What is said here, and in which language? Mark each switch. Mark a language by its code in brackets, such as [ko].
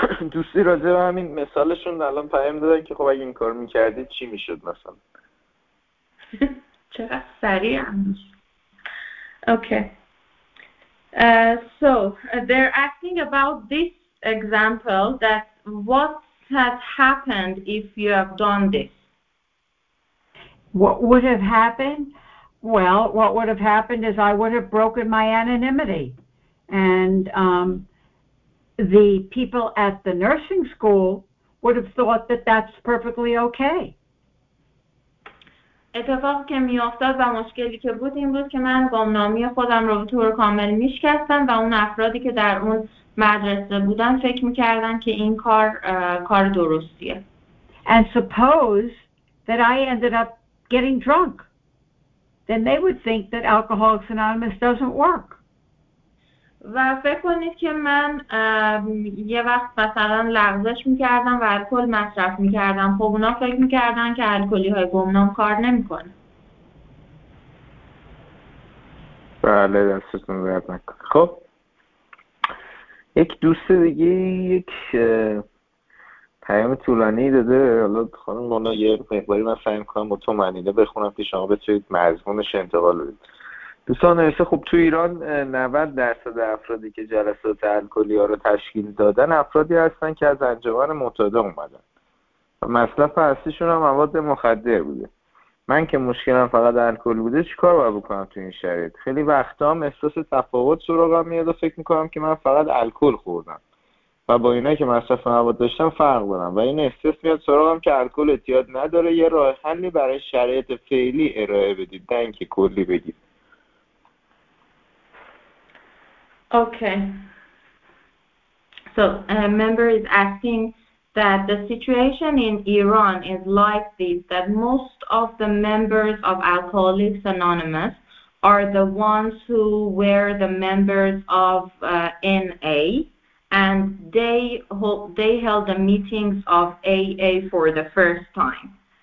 [fa] دوستی راجعه به همین مثالشون الان پیام دادن که خب اگه این کار میکردید چی میشد مثلا؟ چقدر سریع هم میشد. Okay. [en] So, they're asking about this example, that what's has happened if you have done this? What would have happened? Well, what would have happened is I would have broken my anonymity. And the people at the nursing school would have thought that that's perfectly okay. [fa] اتفاق که می افتاد و مشکلی که بود این بود که من گمنامی خودم رو به طور کامل می شکستم و اون افرادی که در اون مدرسه بودن فکر می کردن که این کار کار درستیه. [en] And suppose that I ended up getting drunk. Then they would think that Alcoholics Anonymous doesn't work. [fa] و فکر کنید که من یه وقت مثلا لغزش میکردم و الکل مصرف میکردم خب اونا فکر میکردن که الکلی های گمنام کار نمیکنه. بله دستتون درد نکنه. خب یک دوست دیگه یک پیام طولانی داده، حالا خانم مونا یه مقداری من سعی میکنم با تو معنیده بخونم که شما بتونید مضمونش انتقال بدید. دوستان نویسه خب تو ایران 90% افرادی که جلسات الکلی ها رو تشکیل دادن افرادی هستن که از انجمن معتاد اومدن و مصرف اصلیشون هم مواد مخدر بوده. من که مشکلم فقط الکل بوده چیکار باید بکنم تو این شرایط؟ خیلی وقتا هم احساس تفاوت سراغم میاد و فکر میکنم که من فقط الکل خوردم و با اینا که مصرف مواد داشتم فرق دارم و این احساس میاد سراغم که الکل اعتیاد نداره. یه راه حلی برای شرایط فعلی ارائه بدید نه اینکه کلی بگید. [en] Okay, so a member is asking that the situation in Iran is like this, that most of the members of Alcoholics Anonymous are the ones who were the members of NA, and they held the meetings of AA for the first time.